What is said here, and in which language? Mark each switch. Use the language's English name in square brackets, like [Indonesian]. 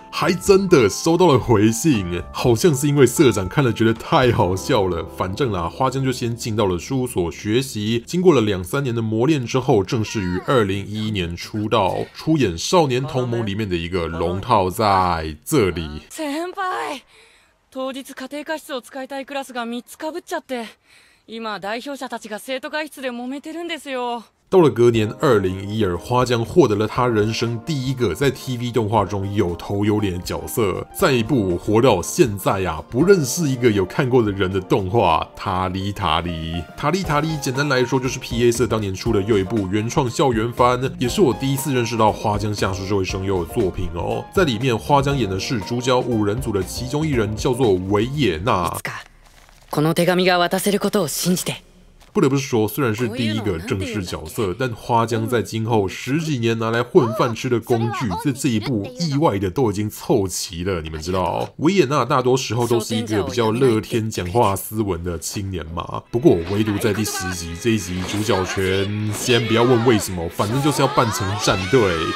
[Chinese] 还真的收到了回信，好像是因为社长看了觉得太好笑了。反正啦，花江就先进到了事务所学习，经过了两三年的磨练之后，正式于2011年出道，出演《少年同盟》里面的一个龙套在这里。 [Japanese] 先輩，当日家庭科室を使いたいクラスが3つ被っちゃって、今代表者たちが生徒会室で揉めてるんですよ。 [Chinese] 到了隔年2012，花江获得了他人生第一个在 TV 动画中有头有脸的角色。再一部活到现在啊，不认识一个有看过的人的动画《塔里塔里》。 《塔里塔里》简单来说就是 PA 社当年出的又一部原创校园番，也是我第一次认识到花江夏树这位声优的作品哦。在里面，花江演的是主角五人组的其中一人，叫做维也纳。 [Japanese] この手紙が渡せることを信じて。 [Chinese] 不得不说，虽然是第一个正式角色，但花江在今后十几年拿来混饭吃的工具，在这一部意外的都已经凑齐了。你们知道，维也纳大多时候都是一个比较乐天、讲话斯文的青年嘛。不过，唯独在第十集这一集，主角全先不要问为什么，反正就是要扮成战队。